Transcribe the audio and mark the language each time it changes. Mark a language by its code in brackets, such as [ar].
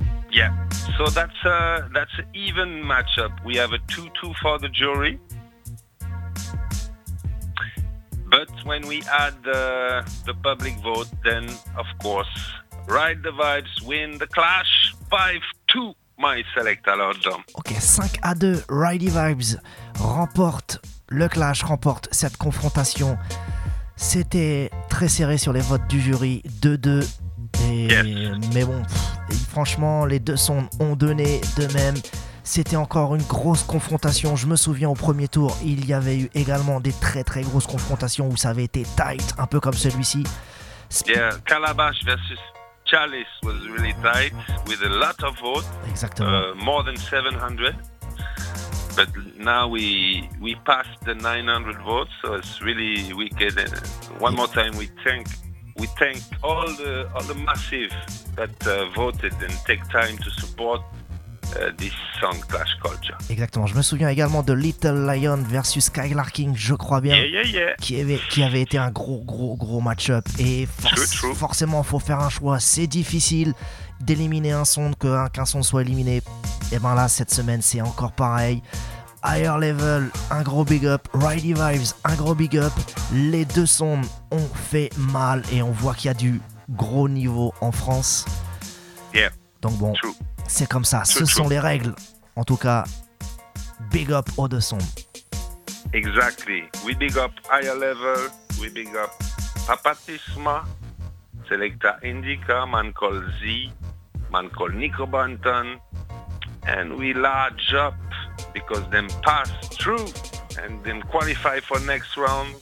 [en] Yeah, so that's an even matchup. We have a 2-2 for the jury, but when we add the public vote, then of course Ride the Vibes win the clash 5-2. My selector, Lord Dom. [fr] Ok, 5-2, Ridey Vibes remporte le clash, remporte cette confrontation. C'était très serré sur les votes du jury, 2-2. Et, yes. Mais bon, franchement, les deux sons ont donné de même. C'était encore une grosse confrontation. Je me souviens au premier tour, il y avait eu également des très très grosses confrontations où ça avait été tight, un peu comme celui-ci. [en] Yeah, Calabash versus Chalice was really tight with a lot of votes. Exactly. More than 700. But now we passed the 900 votes, so it's really wicked. And one more time, we thank all the massive that voted and take time to support this song clash culture. [fr] Exactement. Je me souviens également de Little Lion versus Skylar King, je crois bien. [en] Yeah. [fr] Qui avait été un gros match-up. Et forcément, faut faire un choix. C'est difficile d'éliminer un son, qu'un son soit éliminé. Et ben là, cette semaine, c'est encore pareil. Higher Level, un gros big up. Ridey Vibes, un gros big up. Les deux sons ont fait mal. Et on voit qu'il y a du gros niveau en France. [en] Yeah. [fr] Donc bon. [en] True. [fr] C'est comme ça, ce sont les règles. En tout cas, big up aux deux sons. [en] Exactly. We big up Higher Level, we big up Papatisma, Selecta Indica, man called Z, man called Nico Banton, and we large up because them pass through and then qualify for next round.